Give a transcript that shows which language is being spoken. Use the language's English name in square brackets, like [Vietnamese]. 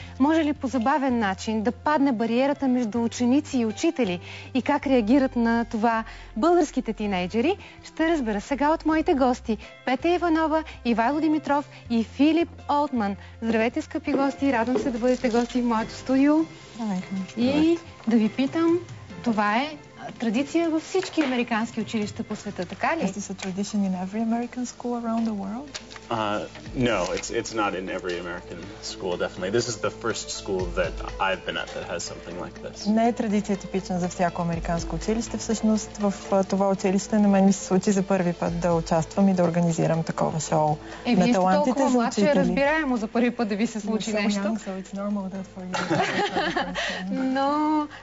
[Bulgarian] Може ли по забавен начин да падне бариерата между ученици и учители и как реагират на това българските тинейджери, ще разбера сега от моите гости Петя Иванова, Ивайло Димитров и Филип Олтман. Здравейте, скъпи гости, радвам се да бъдете гости в моето студио. И да ви питам, това е традиция във всички американски училища по света, така ли? [English] Is this a tradition in every American school around the world? No, it's not in every American school, definitely. This is the first school that I've been at that has something like this. [Bulgarian] Не е традиция типична за всяко американско училище. Всъщност в това училище на мен ми се случи за първи път да участвам и да организирам такова шоу на талантите за учители. Е, вие сте толкова младше, разбираемо за първи път да ви се случи нещо. [English] Young, so it's normal that for you.